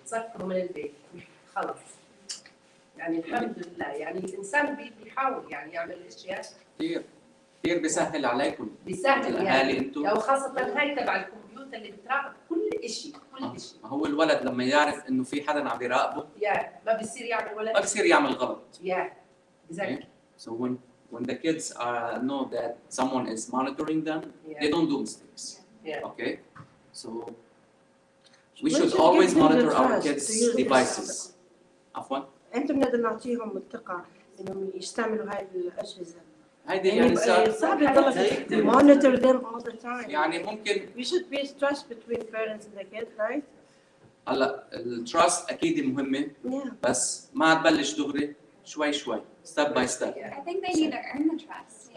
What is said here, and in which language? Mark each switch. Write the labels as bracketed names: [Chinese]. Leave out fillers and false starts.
[Arabic] تسكره من البيت خلص يعني الحمد لله يعني الإنسان بيحاول يعني يعمل أشياء كثير بيسهل عليكم بيسهل الأهالي أنتم أو خاصة هاي تبع الكمبيوتر اللي بتراقب كل شيء ما هو الولد لما يعرف انه في حدا عم يراقبه يا ما بيصير يعمل ولا ما بيصير يعمل غلط يا بالضبط [English] So when the kids know that someone is monitoring them yeah. they don't do mistakes yeah. okay so we should always monitor our kids devices [Arabic] عفوا انتم بدنا نعطيهم الثقه انهم يستعملوا هاي الاجهزه هيدي يعني صعب يضلك [English] monitor them all the time [Arabic] يعني ممكن [English] we should be trust between parents and the kids right [Arabic] هلا التراست اكيد مهمه [English] yeah. [Arabic] بس ما تبلش دغري شوي شوي [English] step by step I think they need to earn the trust yeah,